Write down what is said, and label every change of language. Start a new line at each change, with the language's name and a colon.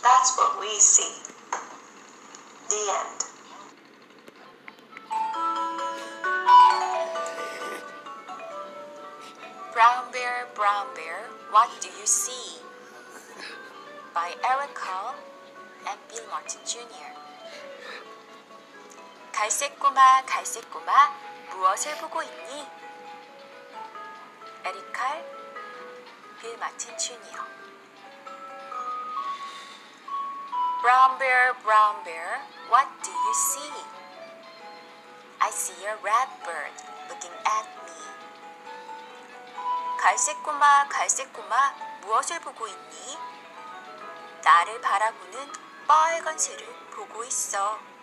English: That's what we see. The end. Brown bear, what do you see? By Eric Carle and Bill Martin Jr.
Korean: 갈색 꼬마, 무엇을 보고 있니? 에릭 칼, 빌 마틴 주니어.
English: Brown bear, what do you see? I see a red bird looking at me.
Korean: 갈색 꼬마, 무엇을 보고 있니? 나를 바라보는 빨간 새를 보고 있어.